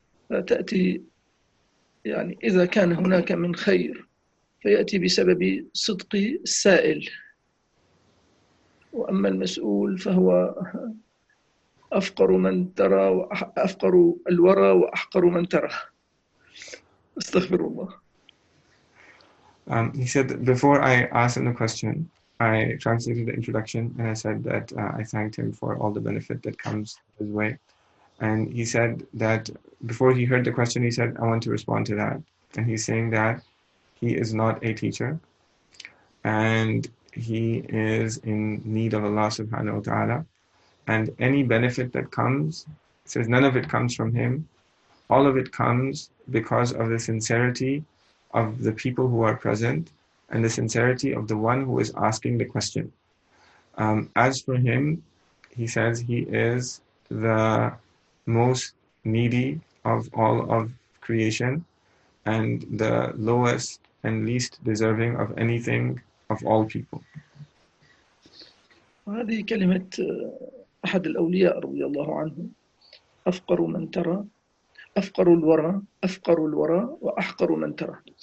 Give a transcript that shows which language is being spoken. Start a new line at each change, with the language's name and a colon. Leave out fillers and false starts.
Arabic: فتأتي يعني إذا كان هناك من خير فيأتي بسبب صدق السائل، وأما المسؤول فهو أفقر من ترى، وأفقر الورى وأحقر من ترى. أستغفر الله.
English: He said, before I asked him the question, I translated the introduction and I said that I thanked him for all the benefit that comes his way. And he said that before he heard the question, he said, I want to respond to that. And he's saying that he is not a teacher and he is in need of Allah subhanahu wa ta'ala. And any benefit that comes, says none of it comes from him. All of it comes because of the sincerity of the people who are present and the sincerity of the one who is asking the question. As for him, he says he is the most needy of all of creation and the lowest and least deserving of anything of all people.
Arabic: وهذه كلمة أحد الأولياء رضي الله عنه، أفقر من ترى، أفقر الورى، أفقر الورى وأحقر من ترى.